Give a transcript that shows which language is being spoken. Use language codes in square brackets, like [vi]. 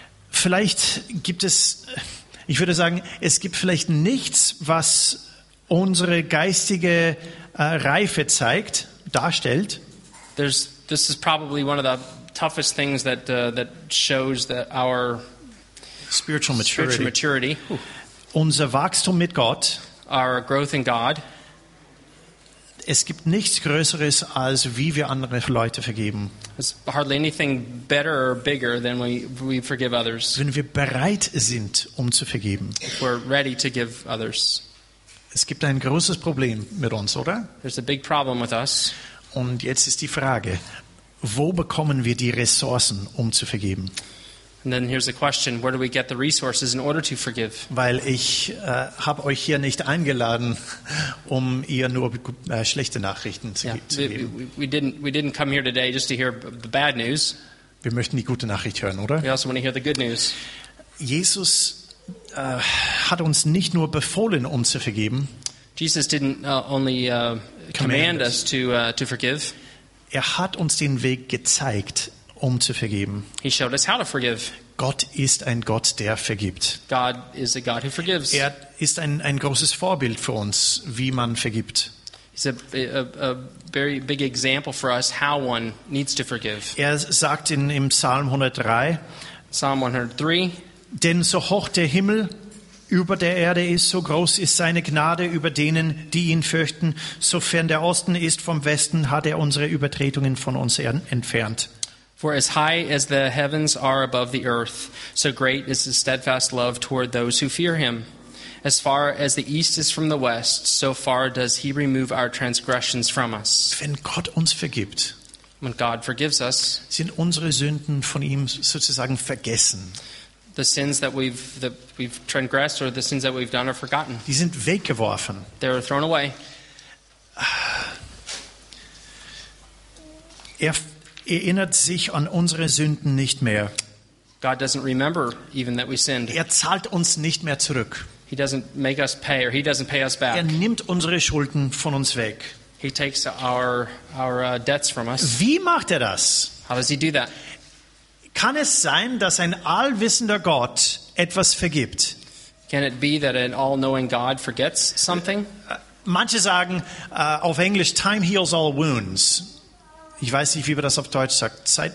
[de] Vielleicht gibt es, ich würde sagen, es gibt vielleicht nichts, was unsere geistige Reife zeigt, darstellt. [en] This is probably one of the toughest things that that shows that our spiritual maturity, [de] unser Wachstum mit Gott, [en] our growth in God. [de] Es gibt nichts Größeres, als wie wir andere Leute vergeben. [en] It's hardly anything better or bigger than we forgive others. [de] Wenn wir bereit sind, um zu vergeben. [en] If we're ready to give others. [de] Es gibt ein großes Problem mit uns, oder? [en] There's a big problem with us. [de] Und jetzt ist die Frage, wo bekommen wir die Ressourcen, um zu vergeben? [en] And then here's the question, where do we get the resources in order to forgive? [de] Weil ich habe euch hier nicht eingeladen, um ihr nur schlechte Nachrichten zu geben. [en] We didn't come here today just to hear the bad news. [de] Wir möchten die gute Nachricht hören, oder? [en] We also want to hear the good news. [de] Jesus hat uns nicht nur befohlen, um zu vergeben. [en] Jesus didn't only command us to forgive. [de] Er hat uns den Weg gezeigt, um zu vergeben. [en] He showed us how to forgive. [de] Gott ist ein Gott, der vergibt. [en] God is a God who forgives. [de] Er ist ein großes Vorbild für uns, wie man vergibt. [en] He's a very big example for us how one needs to forgive. [de] Er sagt im Psalm 103, [en] Psalm 103, [de] denn so hoch der Himmel über der Erde ist, so groß ist seine Gnade über denen, die ihn fürchten. Sofern der Osten ist vom Westen, hat er unsere Übertretungen von uns entfernt. [en] For as high as the heavens are above the earth, so great is his steadfast love toward those who fear him. As far as the east is from the west, so far does he remove our transgressions from us. [de] Wenn Gott uns vergibt, [en] when God forgives us, [de] sind unsere Sünden von ihm sozusagen vergessen. [en] The sins that we've transgressed or the sins that we've done are forgotten. [de] Die sind weggeworfen. [en] They're thrown away. [de] Erinnert sich an unsere Sünden nicht mehr. [en] God doesn't remember even that we sinned. [de] Er zahlt uns nicht mehr zurück. [en] He doesn't make us pay or he doesn't pay us back. [de] Er nimmt unsere Schulden von uns weg. [en] He takes our debts from us. [de] Wie macht er das? [en] How does he do that? [de] Kann es sein, dass ein allwissender Gott etwas vergibt? [en] Can it be that an all-knowing God forgets something? [de] Manche sagen auf Englisch, [en] time heals all wounds. [de] Ich weiß nicht, wie man das auf Deutsch sagt.